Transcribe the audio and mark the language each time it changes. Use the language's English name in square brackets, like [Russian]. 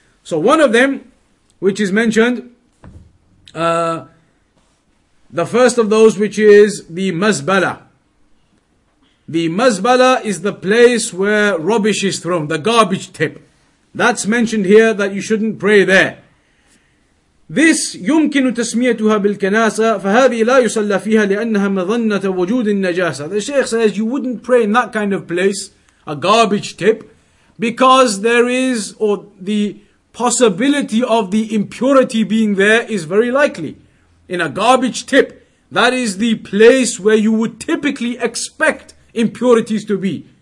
[English] So one of them, which is mentioned, the first of those, which is the mazbala. The mazbala is the place where rubbish is thrown, the garbage tip. That's mentioned here that you shouldn't pray there. [Arabic] This يمكن تسميتها بالكناسة فهذه لا يصلى فيها لأنها مظنة وجود النجاسة. [English] The Shaykh says you wouldn't pray in that kind of place, a garbage tip, because there is, or the possibility of the impurity being there is very likely. In a garbage tip, that is the place where you would typically expect impurities to be.